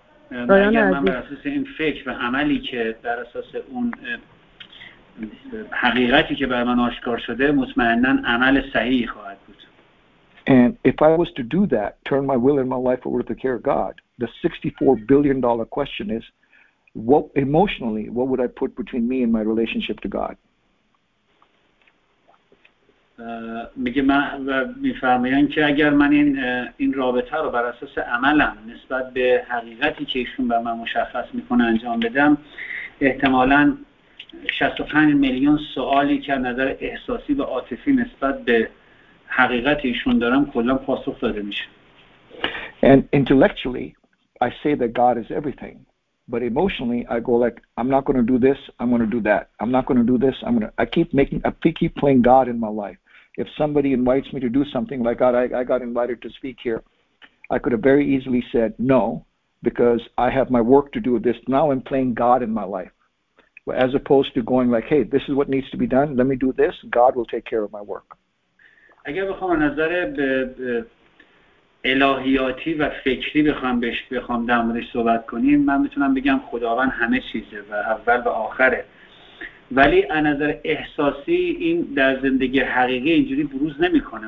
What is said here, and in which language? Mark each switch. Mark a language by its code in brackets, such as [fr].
[fa] من اگر من بر اساس این فکر و عملی که بر اساس اون حقیقتی که بر من آشکار شده مطمئنن عمل صحیحی خواهد بود. [en] And if I was to do that, turn my will and my life over to the care of God, the $64 billion question is, what emotionally, what would I put between me and my relationship to God? [fa] میگه من میفهمم که اگر من این رابطه رو بر اساس عملم نسبت به حقیقتی که ایشون به من مشخص میکنه انجام بدم احتمالاً 65 میلیون سوالی که نظر احساسی و عاطفی نسبت به حقیقت ایشون دارم کلا پاسخ داده میشه. [en] And intellectually I say that God is everything, but emotionally I go like, I'm not going to do this, I'm going to do that, I'm not going to do this, I keep playing God in my life. If somebody invites me to do something, like God, I got invited to speak here, I could have very easily said no, because I have my work to do with this. Now I'm playing God in my life, as opposed to going like, hey, this is what needs to be done. Let me do this. God will take care of my work. [fa] اگر بخوام نظر به الهیاتی و فکری بخوام در موردش صحبت کنیم، من میتونم بگم خداوند همه چیزه و اول و آخره. ولی از نظر احساسی این در زندگی حقیقی اینجوری بروز نمیکنه.